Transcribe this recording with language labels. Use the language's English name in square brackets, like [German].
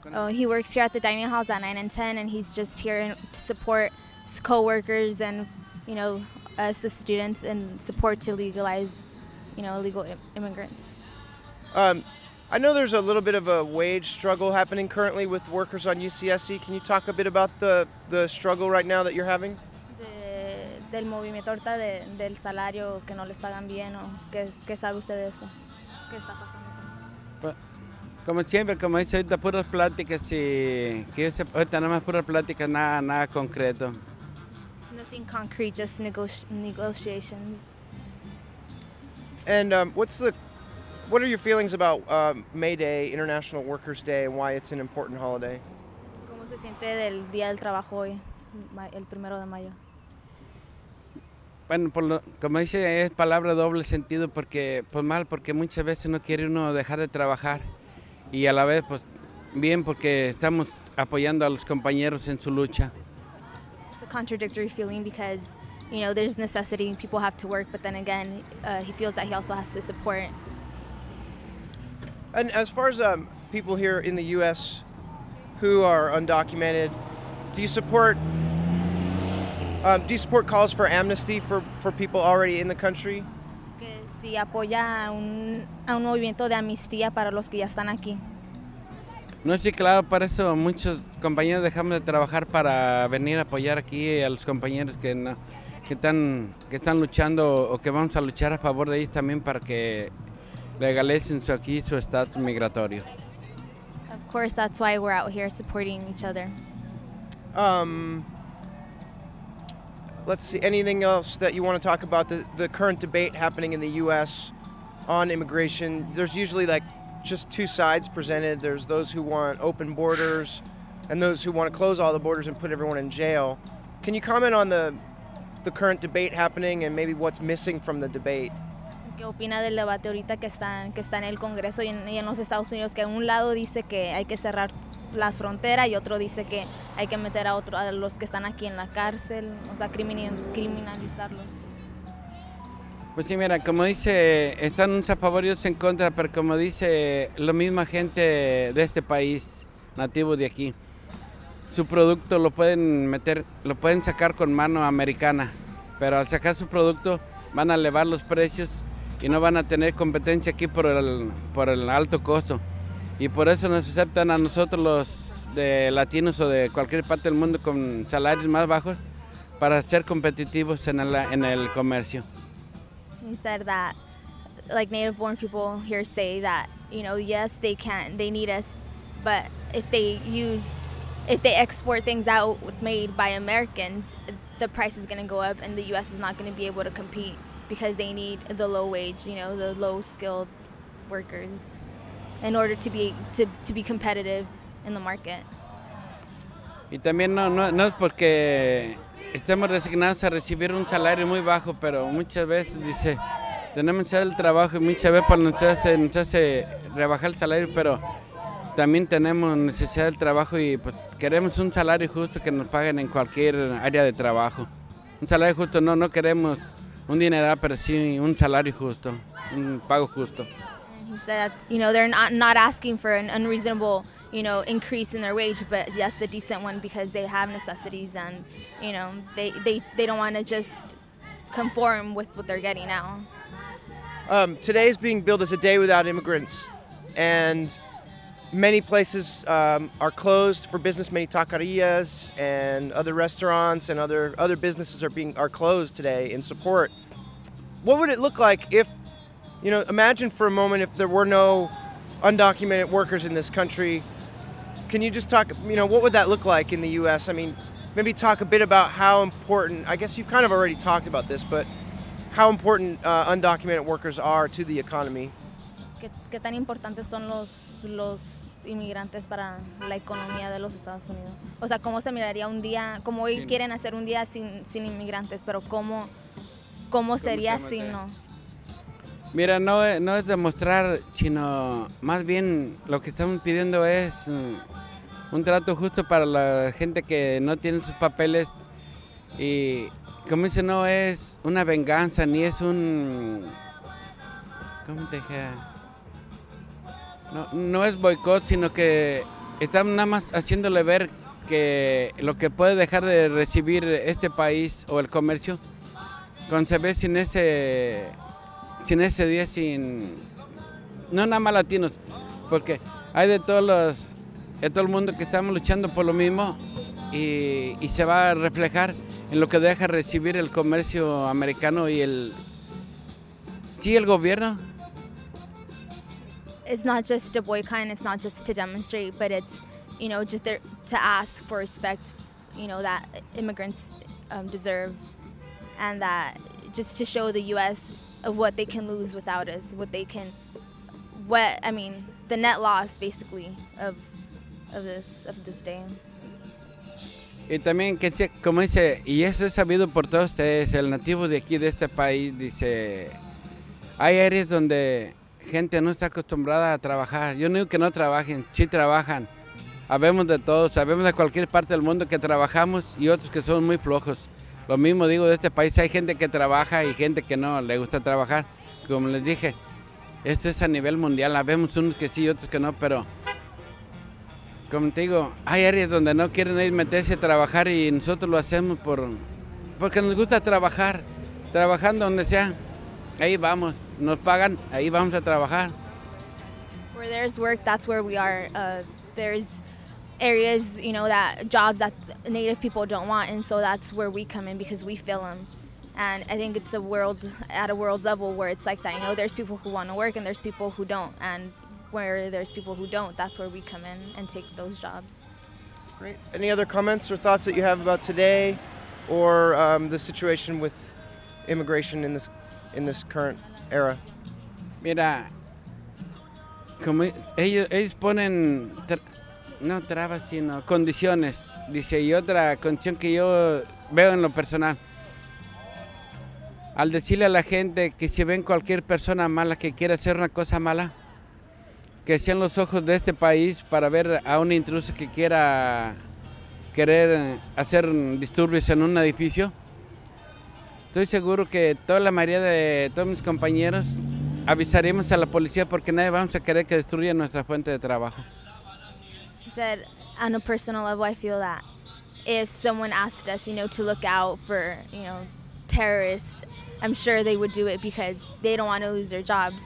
[English] He works here at the dining halls at 9 and 10, and he's just here to support co-workers and, you know, us, the students, and support to legalize, you know, illegal immigrants. I know there's a little bit of a wage struggle happening currently with workers on UCSC. Can you talk a bit about the struggle right now that you're having? [Spanish] Del movimiento ahorita del salario que no les pagan bien o qué sabe usted de eso? ¿Qué está pasando con eso? Como siempre, como dice, ahorita puras pláticas y que se ahorita nada más puras pláticas, nada concreto. [English] Nothing concrete, just negotiations. And what are your feelings about May Day, International Workers Day, and why it's an important holiday? [Spanish] ¿Cómo se siente del Día del Trabajo hoy, el primero de mayo? Bueno, como dice, es palabra doble sentido, porque, pues mal, porque muchas veces no quiere uno dejar de trabajar, y a la vez, pues bien, porque estamos apoyando a los compañeros en su lucha. [English] It's a contradictory feeling because, you know, there's necessity, people have to work, but then again, he feels that he also has to support. And as far as people here in the U.S. who are undocumented, do you support... do you support calls for amnesty for people already in the country? [Spanish] Que sí apoya a un movimiento de amnistía para los que ya están aquí. No, sí, claro, para eso muchos compañeros dejamos de trabajar para venir a apoyar aquí a los compañeros que están luchando o que vamos a luchar a favor de ellos también para que legalicen aquí su estatus migratorio. [English] Of course, that's why we're out here supporting each other. Let's see, anything else that you want to talk about, the current debate happening in the U.S. on immigration? There's usually like just two sides presented. There's those who want open borders and those who want to close all the borders and put everyone in jail. Can you comment on the current debate happening and maybe what's missing from the debate? [Spanish] ¿Qué opina del debate ahorita que está en el Congreso y en los Estados Unidos? Que un lado dice que hay que cerrar la frontera y otro dice que hay que meter a los que están aquí en la cárcel, o sea, criminalizarlos. Pues sí, mira, como dice, están unos a favor y otros en contra, pero como dice la misma gente de este país, nativo de aquí, su producto lo pueden sacar con mano americana, pero al sacar su producto van a elevar los precios y no van a tener competencia aquí por el alto costo. Y por eso nos aceptan a nosotros los de latinos o de cualquier parte del mundo con salarios más bajos para ser competitivos en el comercio. [English] He said that, like, native-born people here say that, you know, yes, they can, they need us, but if they export things out made by Americans, the price is going to go up and the U.S. is not going to be able to compete because they need the low wage, you know, the low-skilled workers. In order to be competitive in the market. [Spanish] Y también no es porque estemos resignados a recibir un salario muy bajo, pero muchas veces dice tenemos el trabajo y muchas veces para nos hace rebajar el salario, pero también tenemos necesidad del trabajo y pues queremos un salario justo que nos paguen en cualquier área de trabajo. Un salario justo, no queremos un dinero, pero sí un salario justo, un pago justo. [English] He said, you know, they're not asking for an unreasonable, you know, increase in their wage, but yes, a decent one because they have necessities and, you know, they don't want to just conform with what they're getting now. Today is being billed as a day without immigrants, and many places are closed for business. Many taquerias and other restaurants and other businesses are closed today in support. What would it look like if, you know, imagine for a moment if there were no undocumented workers in this country. Can you just talk, you know, what would that look like in the U.S.? I mean, maybe talk a bit about how important, I guess you've kind of already talked about this, but how important undocumented workers are to the economy. [Spanish] ¿Qué tan importantes son los inmigrantes para la economía de los Estados Unidos? O sea, ¿cómo se miraría un día, como hoy quieren hacer un día sin inmigrantes, pero cómo sería si no? Mira, no es demostrar, sino más bien lo que estamos pidiendo es un trato justo para la gente que no tiene sus papeles. Y como dice, no es una venganza, ni es un... ¿Cómo te dije? No es boicot, sino que están nada más haciéndole ver que lo que puede dejar de recibir este país o el comercio, con se ve sin ese día, sin no nada más latinos, porque hay de todo el mundo que estamos luchando por lo mismo y se va a reflejar en lo que deja recibir el comercio americano y el gobierno. [English] It's not just to boycott, it's not just to demonstrate, but it's, you know, just there to ask for respect, you know, that immigrants deserve, and that just to show the U.S. of what they can lose without us, the net loss, basically, of this day. [Spanish] Y también, que como dice, y eso es sabido por todos ustedes, el nativo de aquí, de este país, dice, hay áreas donde gente no está acostumbrada a trabajar. Yo no digo que no trabajen, sí trabajan. Sabemos de todos, sabemos de cualquier parte del mundo que trabajamos y otros que son muy flojos. Lo mismo digo de este país, hay gente que trabaja y gente que no le gusta trabajar. Como les dije, esto es a nivel mundial, sabemos unos que sí y otros que no, pero contigo, hay áreas donde no quieren ir meterse a trabajar y nosotros lo hacemos porque nos gusta trabajar, trabajando donde sea, ahí vamos, nos pagan, ahí vamos a trabajar. [English] Where there's work, that's where we are. There's areas, you know, that jobs that native people don't want, and so that's where we come in because we fill them. And I think it's at a world level where it's like that. You know, there's people who want to work and there's people who don't, and where there's people who don't, that's where we come in and take those jobs. Great. Any other comments or thoughts that you have about today or the situation with immigration in this current era? [Spanish] Mira, como ellos ponen trabas, sino condiciones, dice, y otra condición que yo veo en lo personal. Al decirle a la gente que si ven cualquier persona mala que quiera hacer una cosa mala, que sean los ojos de este país para ver a un intruso que quiera querer hacer disturbios en un edificio. Estoy seguro que toda la mayoría de todos mis compañeros avisaremos a la policía porque nadie vamos a querer que destruya nuestra fuente de trabajo. [English] He said, on a personal level, I feel that if someone asked us, you know, to look out for, you know, terrorists, I'm sure they would do it because they don't want to lose their jobs.